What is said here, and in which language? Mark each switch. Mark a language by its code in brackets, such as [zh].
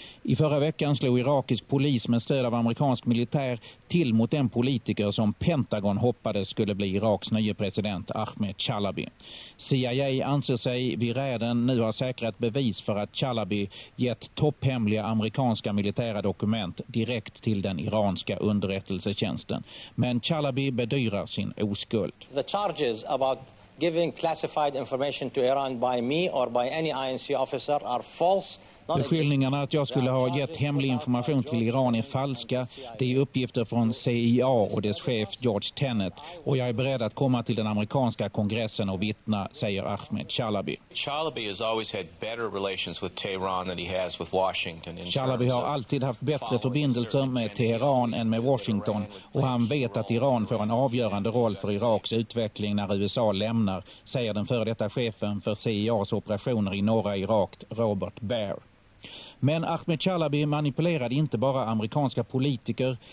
[sv] I förra veckan slog irakisk polis med stöd av amerikansk militär till mot den politiker som Pentagon hoppades skulle bli Iraks nye president Ahmed Chalabi. CIA anser sig vid räden nu ha säkrat bevis för att Chalabi gett topphemliga amerikanska militära dokument direkt till den iranska underrättelsetjänsten. Men Chalabi bedyrar sin oskuld. [en] The charges about giving classified information to Iran by me or by any INC officer are false. [sv] Beskyllningarna att jag skulle ha gett hemlig information till Iran är falska. Det är uppgifter från CIA och dess chef George Tenet. Och jag är beredd att komma till den amerikanska kongressen och vittna, säger Ahmed Chalabi. [en] Chalabi has always had better relations with Tehran than he has with Washington. [sv] Chalabi har alltid haft bättre förbindelser med Teheran än med Washington. Och han vet att Iran får en avgörande roll för Iraks utveckling när USA lämnar, säger den före detta chefen för CIAs operationer i norra Irak, Robert Baer. Men Ahmed Chalabi manipulerade inte bara amerikanska politiker.